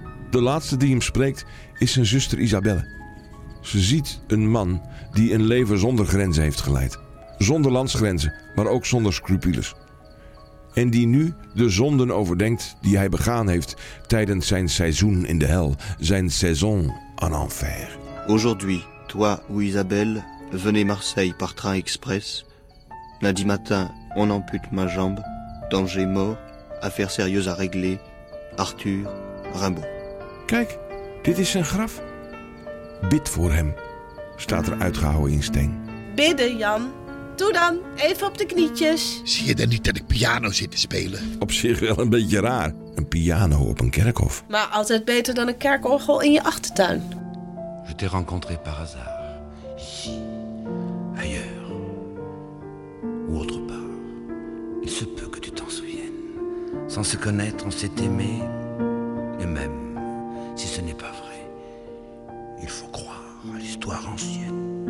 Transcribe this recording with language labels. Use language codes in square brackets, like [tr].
[nl] De laatste die hem spreekt is zijn zuster Isabelle. Ze ziet een man die een leven zonder grenzen heeft geleid. Zonder landsgrenzen, maar ook zonder scrupules. En die nu de zonden overdenkt die hij begaan heeft tijdens zijn seizoen in de hel. Zijn [fr] saison en enfer. Aujourd'hui, toi ou Isabelle, venez Marseille par train express. Lundi matin, on ampute ma jambe. Danger mort, affaire sérieuse à régler. Arthur Rimbaud. [nl] Kijk, dit is zijn graf. Bid voor hem, staat er uitgehouwen in steen. Bidden, Jan. Doe dan, even op de knietjes. Zie je dan niet dat ik piano zit te spelen? Op zich wel een beetje raar. Een piano op een kerkhof. Maar altijd beter dan een kerkorgel in je achtertuin. [fr] Je t'ai rencontré par hasard. Ici, ailleurs. Ou autre part. Il se peut que tu t'en souviennes. Sans se connaître, on s'est aimé. Et même. Si ce n'est pas vrai, il faut croire à l'histoire ancienne.